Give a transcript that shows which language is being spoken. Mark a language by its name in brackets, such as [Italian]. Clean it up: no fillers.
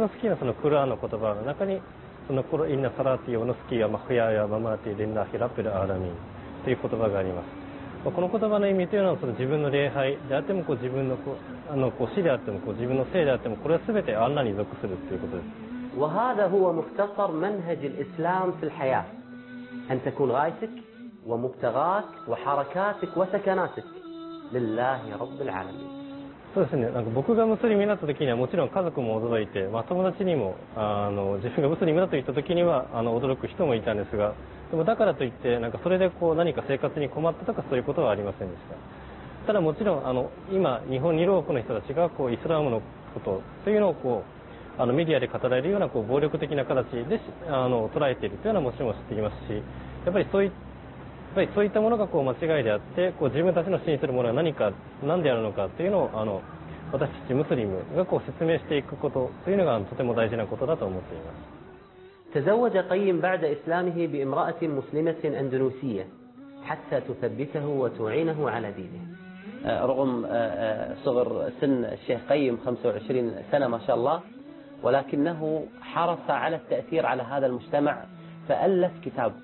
[Arabic] إن صلاتي ونسكي ومحياي ومماتي لله رب العالمين [Japanese] この言葉の意味というのはその自分の礼拝であってもこう自分 の死であってもこう自分の生であってもこれは全てアンナに属するということです。 [Arabic] وهذا هو مختصر منهج الإسلام في الحياة أن تكون غايتك ومبتغاك وحركاتك وسكناتك لله رب العالمين。 [Japanese] そうですね。なんか僕がムスリムになった時にはもちろん家族も驚いて、まあ、友達にも自分がムスリムだと言った時には驚く人もいたんですが、でもだからといってなんかそれでこう何か生活に困ったとかそういうことはありませんでした。ただもちろん今日本にいる多くの人たちがこうイスラムのことというのをこうメディアで語られるようなこう暴力的な形で捉えているというのはもちろん知っていますし、やっぱりそういったものがこう間違いであって、こう自分たちの信じているものは何か、何であるのかというのを私たちムスリムがこう説明していくことというのがとても大事なことだと思っています。 [Arabic] تزوج قيم بعد إسلامه بامرأة مسلمة أندلسية حتى تثبته وتعينه على دينه. رغم صغر سن الشيخ قيم 25 سنة ما شاء الله، ولكنه حرص على التأثير على هذا المجتمع، فألف كتاب.